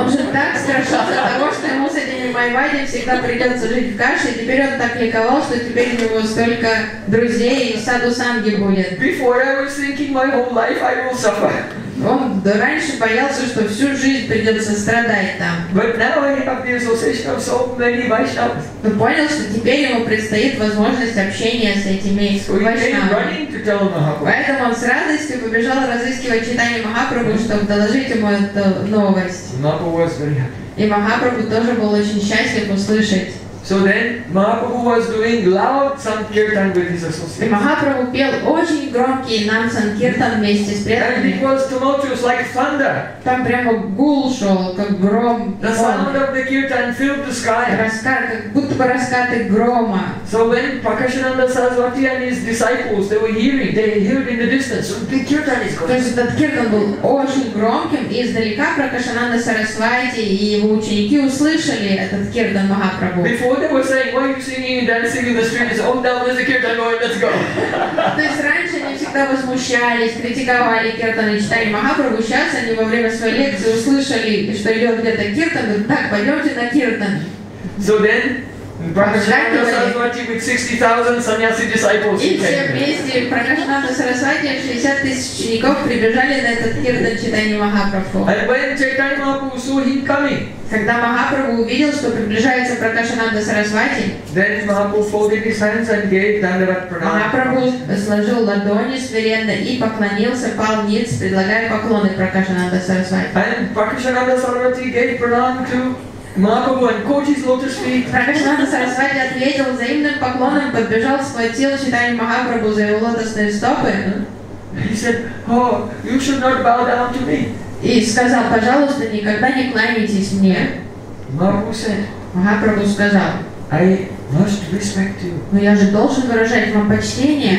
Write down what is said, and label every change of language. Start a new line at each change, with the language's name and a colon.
Russian: Он же так страшился того, что ему с этими майвади всегда придется жить в Каши, и теперь он так ликовал, что теперь у него столько друзей и садусанги будет.
English: Before I was thinking my whole life I will suffer.
Russian: Он до раньше боялся, что всю жизнь придется страдать там.
English: But now I have the association of so many Vaishnavas.
Russian: Но понял, что теперь ему предстоит возможность общения с этими Вайшнавами. Поэтому он с радостью побежал разыскивать Чайтанью Махапрабху, чтобы доложить ему эту новость. И Махапрабху тоже был очень счастлив услышать.
English: So then Mahaprabhu was doing loud sankirtan with his associates.
Russian: Махапрабху пел очень громкий нам санкиртан вместе с преданными.
English: And it was tumultuous like thunder.
Russian: Там прямо гул шел, как гром.
English: The sound of the kirtan filled the sky.
Russian: Раскат, как будто бы раскаты грома.
English: So when Prakashananda Saraswati and his disciples, they were hearing, they heard in the distance, so the kirtan is going.
Russian: То есть этот киртан был очень громким, и издалека Прокашананда Сарасвати и его ученики услышали этот киртан Махапрабху.
English: Before they were saying, why are you singing and dancing in the streets? Oh, now there's a kirtan going, let's go.
Russian: То есть раньше они всегда возмущались, критиковали киртан и читали Махапрабху. Сейчас они во время своей лекции услышали, что идет где-то киртан, говорят, так, пойдемте на киртан.
English: So then, Prakashananda Saraswati with 60,000 sannyasi disciples.
Russian: И все вместе Прокашананда Сарасвати 60 тысяч учеников прибежали на этот киртан читания Махапрабху.
English: And when Chaitanya Mahaprabhu saw him coming,
Russian: когда Махапрабху увидел, что приближается Прокашананда Сарасвати,
English: then Mahaprabhu folded his hands and gave Dandavat Pranam.
Russian: Махапрабху сложил ладони смиренно и поклонился, пал ниц, предлагая поклоны Прокашананда Сарасвати.
English: And Prakashananda Saraswati gave Pranam to Махапрабху and caught his lotus feet.
Russian: Прокашананда Сарасвати ответил взаимным поклоном, подбежал, схватил читание Махапрабху за его лотосные стопы.
English: He said, oh, you should not bow down to me.
Russian: И сказал, пожалуйста, никогда не кланяйтесь мне. Махапрабху сказал,
English: I must respect you.
Russian: Но я же должен выражать вам почтение.